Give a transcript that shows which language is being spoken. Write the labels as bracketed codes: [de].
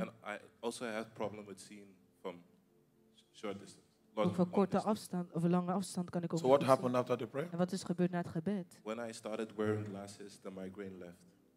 [en] And I also had problem with seeing from short distance. [nl] Over korte afstand of lange afstand kan ik ook. [en] So what happened after the prayer? [nl] En wat is gebeurd na het gebed? [en] When I started wearing glasses, the migraine left.